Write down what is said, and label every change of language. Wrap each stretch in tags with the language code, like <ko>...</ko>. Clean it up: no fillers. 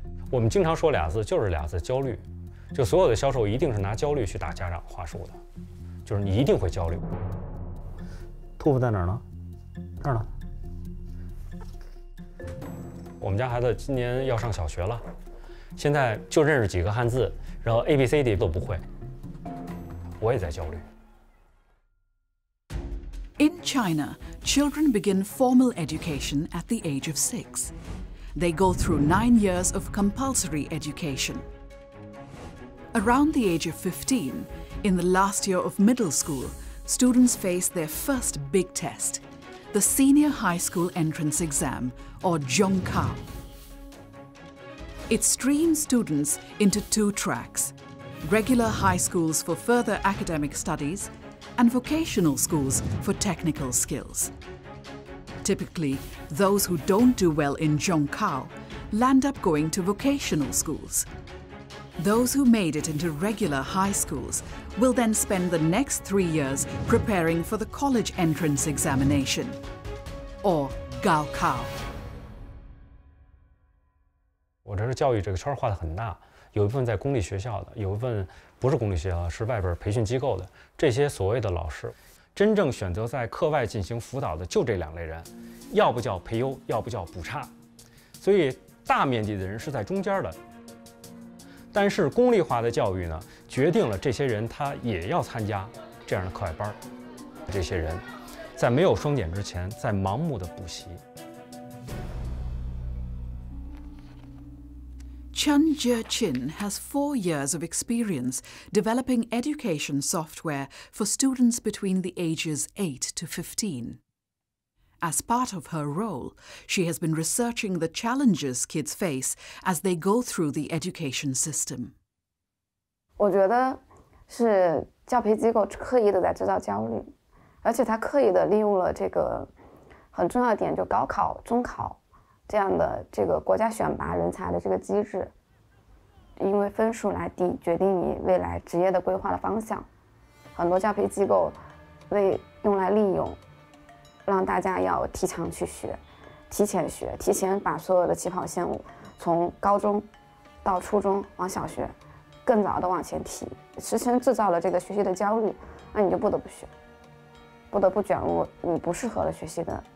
<zh>我们经常说俩字，就是俩字：焦虑。就所有的销售一定是拿焦虑去打家长话术的，就是你一定会焦虑。兔子在哪儿呢？这儿呢。我们家孩子今年要上小学了，现在就认识几个汉字，然后 A B C D 都不会。我也在焦虑。</zh> <en>In China, children begin formal education at the age of 6. They go through 9 years of compulsory education. Around the age of 15, in the last year of middle school, students face their first big test. The senior high school entrance exam, or Zhongkao. It streams students into two tracks, regular high schools for further academic studies and vocational schools for technical skills. Typically, those who don't do well in Zhongkao land up going to vocational schools. Those who made it into regular high schools will then spend the next 3 years preparing for the college entrance examination, or Gaokao.</en> <zh>我这是教育这个圈画得很大，有一部分在公立学校的，有一部分不是公立学校，是外边培训机构的。这些所谓的老师，真正选择在课外进行辅导的就这两类人，要不叫培优，要不叫补差。所以大面积的人是在中间的。但是公立化的教育呢，决定了这些人他也要参加这样的课外班。这些人在没有双减之前，在盲目的补习。</zh> <en>Chen Jiechin has 4 years of experience developing education software for students between the ages 8 to 15. As part of her role, she has been researching the challenges kids face as they go through the education system.</en> <zh>我觉得是教培机构刻意的在制造焦虑，而且他刻意的利用了这个很重要的点，就高考、中考这样的这个国家选拔人才的这个机制，因为分数来决定你未来职业的规划的方向，很多教培机构为用来利用，让大家要提倡去学，提前学，提前把所有的起跑线从高中到初中往小学更早的往前提，时常制造了这个学习的焦虑，那你就不得不学，不得不卷入你不适合的学习的。</zh>